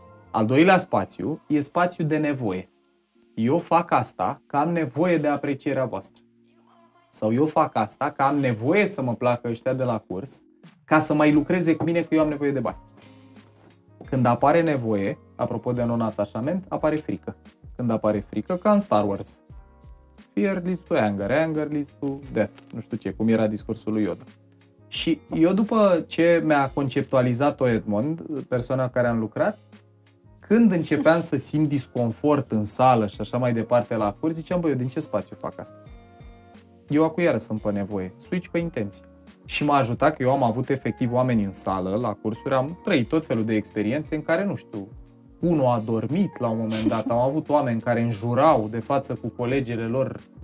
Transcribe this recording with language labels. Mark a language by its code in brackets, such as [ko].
[ro] Al doilea spațiu e spațiu de nevoie. Eu fac asta că am nevoie de aprecierea voastră. Sau eu fac asta că am nevoie să mă placă ăștia de la curs ca să mai lucreze cu mine că eu am nevoie de bani. Când apare nevoie, apropo de non-atașament, apare frică. Când apare frică, ca în Star Wars. [en] Fear leads to anger, anger leads to death. [ro] Nu știu ce, cum era discursul lui Yoda. Și eu, după ce mi-a conceptualizat-o Edmond, persoana care am lucrat, când începeam să simt disconfort în sală și așa mai departe la curs, ziceam, băi, eu din ce spațiu fac asta? Eu acu iară sunt pe nevoie. Switch pe intenție. Și m-a ajutat că eu am avut efectiv oameni în sală, la cursuri, am trăit tot felul de experiențe în care, nu știu, unul a dormit la un moment dat, am avut oameni care înjurau de față cu colegele lor.